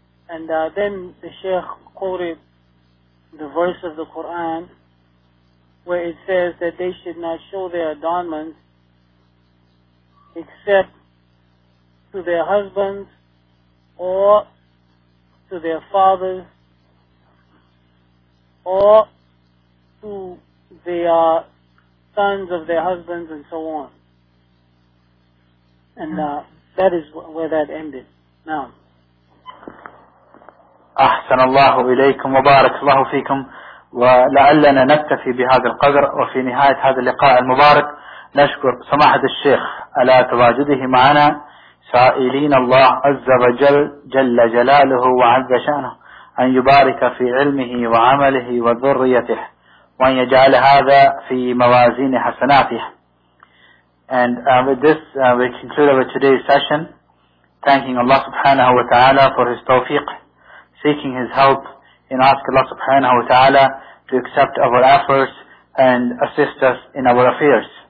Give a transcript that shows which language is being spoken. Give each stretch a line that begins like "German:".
English: And then the Sheikh quoted the verse of the Quran where it says that they should not show their adornments except to their husbands or to their fathers or to their sons of their husbands and so on. And that is where that ended. Now,
Arabic: أحسن الله إليكم وبارك الله فيكم. ولعلنا نكتفي بهذا القدر، وفي نهاية هذا اللقاء المبارك نشكر سماحة الشيخ على تواجده معنا سائلين الله عز وجل جل جلاله وعز شأنه أن يبارك في علمه وعمله وذريته وأن يجعل هذا في موازين حسناته.
English: And with this we conclude with today's session, thanking Allah subhanahu wa ta'ala for his tawfiq, seeking his help, and ask Allah subhanahu wa ta'ala to accept our efforts and assist us in our affairs.